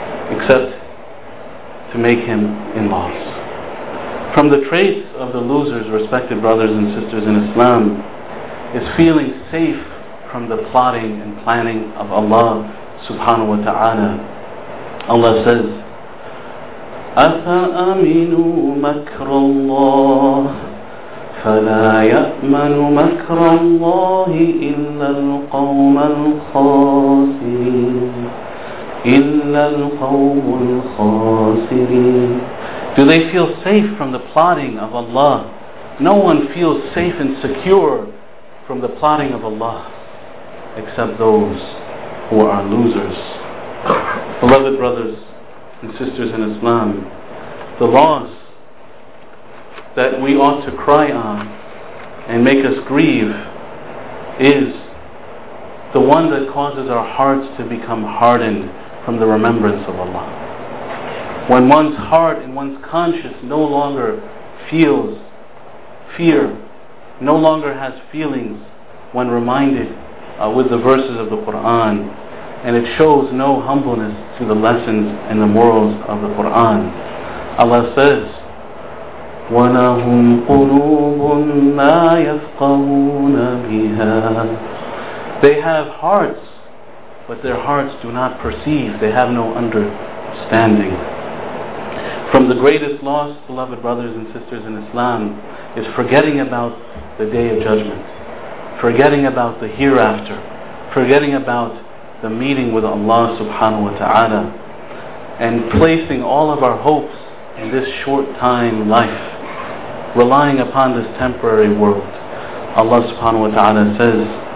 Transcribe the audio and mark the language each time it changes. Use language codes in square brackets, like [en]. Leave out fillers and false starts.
[en] Except to make him in loss. From the traits of the losers, respected brothers and sisters in Islam, is feeling safe from the plotting and planning of Allah subhanahu wa ta'ala. Allah says, [ar] أَفَأَمِنُوا مَكْرَ اللَّهِ فَلَا يَأْمَنُ مَكْرَ اللَّهِ إِلَّا الْقَوْمَ الْخَاسِرِينَ إِلَّا الْقَوْمُ الْخَاسِرِينَ. [en] Do they feel safe from the plotting of Allah? No one feels safe and secure from the plotting of Allah except those who are losers. Beloved brothers and sisters in Islam, the loss that we ought to cry on and make us grieve is the one that causes our hearts to become hardened from the remembrance of Allah. When one's heart and one's conscience no longer feels fear, no longer has feelings when reminded with the verses of the Qur'an, and it shows no humbleness to the lessons and the morals of the Qur'an. Allah says, [ar] وَلَهُمْ قُلُوبٌ لَا يَفْقَهُونَ بِهَا. [en] They have hearts, but their hearts do not perceive. They have no understanding. From the greatest loss, beloved brothers and sisters in Islam, is forgetting about the Day of Judgment, forgetting about the hereafter, forgetting about the meeting with Allah subhanahu wa ta'ala, and placing all of our hopes in this short time life, relying upon this temporary world. Allah subhanahu wa ta'ala says,